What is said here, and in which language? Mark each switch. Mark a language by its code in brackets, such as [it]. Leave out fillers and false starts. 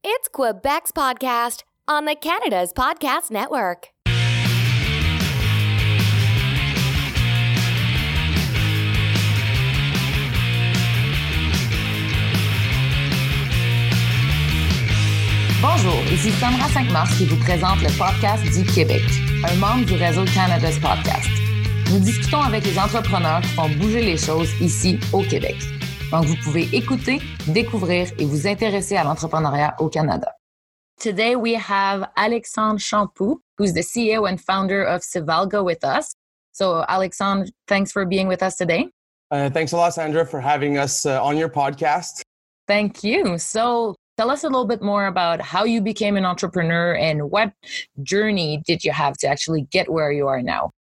[en] It's Quebec's podcast on the Canada's Podcast Network. [fr] Bonjour, ici Sandra Saint-Mars qui vous présente le podcast du Québec, un membre du réseau Canada's Podcast. Nous discutons avec les entrepreneurs qui font bouger les choses ici au Québec. Donc, vous pouvez écouter, découvrir et vous intéresser à l'entrepreneuriat au Canada. [en] Today, we have Alexandre Champoux, who's the CEO and founder of Sivalgo with us. So, Alexandre, thanks for being with us today. Thanks a lot, Sandra, for having us on your podcast. Thank you. So, tell us a little bit more about how you became an entrepreneur and what journey did you have to actually get where you are now?